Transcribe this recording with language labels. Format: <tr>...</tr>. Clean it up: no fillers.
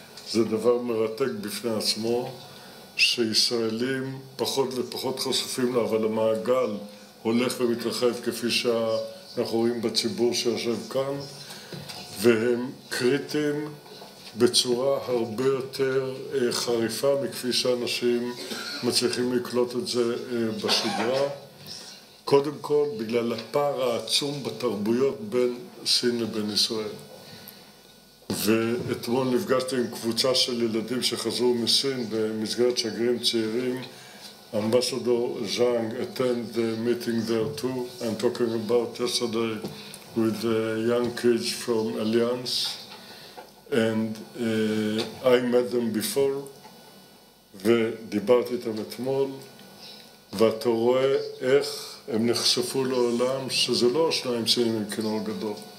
<he>זה דבר מרתק בפני עצמו, שישראלים פחות ופחות חשופים לה, אבל המעגל הולך ומתרחב כפי שאנחנו רואים בציבור שיושב כאן, והם קריטיים בצורה הרבה יותר חריפה מכפי שאנשים מצליחים לקלוט את זה בשגרה. קודם כל, בגלל הפער העצום בתרבויות בין סין לבין ישראל. ואתמול נפגשתי עם קבוצה של ילדים שחזרו מסין במסגרת שגרים צעירים.</he> <en>אמבסדור ז'אנג attended the meeting there too. I'm talking about yesterday with the young kids from Alliance. And I met them before,</en> <he>ודיברתי איתם אתמול, ואתה רואה איך הם נחשפו לעולם שזה לא שניים סינים עם כינור גדול.</he>